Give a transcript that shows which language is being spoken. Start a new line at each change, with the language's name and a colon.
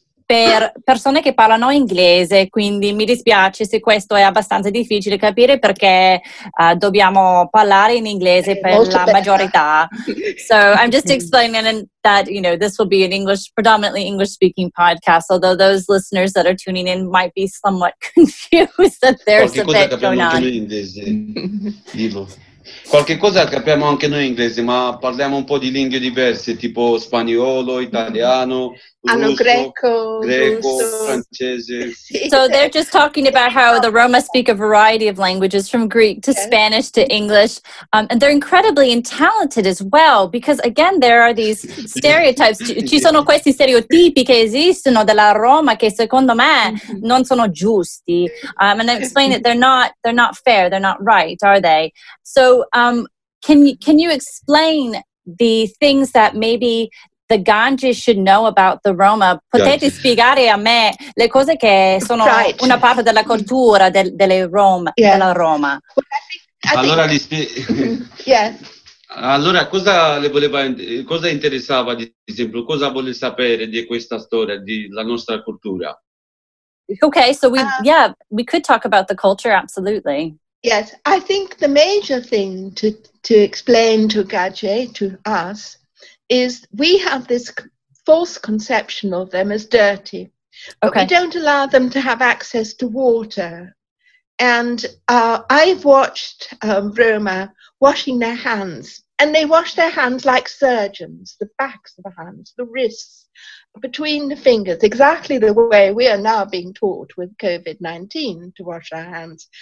Italian: per persone che parlano inglese, quindi mi dispiace se questo è abbastanza difficile capire perché dobbiamo parlare in inglese per la maggiorità.
English: So I'm just explaining that, you know, this will be an English, predominantly English speaking podcast, although those listeners that are tuning in might be somewhat confused that there's
Italian: qualche
English: a bit going on.
Italian: Qualche cosa capiamo anche noi in inglese, qualche cosa capiamo anche noi in inglese, ma parliamo un po' di lingue diverse, tipo spagnolo, italiano, russo, greco, russo, francese.
English: So they're just talking about how the Roma speak a variety of languages, from Greek to Spanish to English. And they're incredibly talented as well, because again, there are these stereotypes.
Italian: Ci sono questi stereotipi che esistono della Roma che secondo me non sono giusti.
English: And I explain that they're not fair, they're not right, are they? So can you explain the things that maybe the Ganji should know about the Roma?
Italian: Potete spiegare a me le cose che sono una parte della cultura delle Roma, della Roma? Allora, cosa le voleva, cosa interessava, ad esempio, cosa vuole sapere di questa storia, della nostra cultura?
English: Okay, so we could talk about the culture, absolutely. Yes, I think the major thing to explain to Gadje, to us, is we have this false conception of them as dirty. Okay. But we don't allow them to have access to water. And I've watched Roma washing their hands, and they wash their hands like surgeons, the backs of the hands, the wrists, between the fingers, exactly the way we are now being taught with COVID-19 to wash our hands.